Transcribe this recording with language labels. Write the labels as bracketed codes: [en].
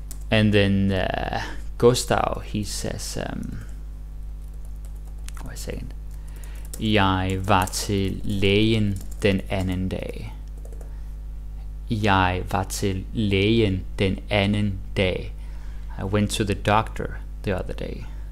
[en] And then Gustav, he says, wait a second. [da] Jeg var til lægen den anden dag. Jeg var til lægen den anden dag. [en] I went to the doctor the other day.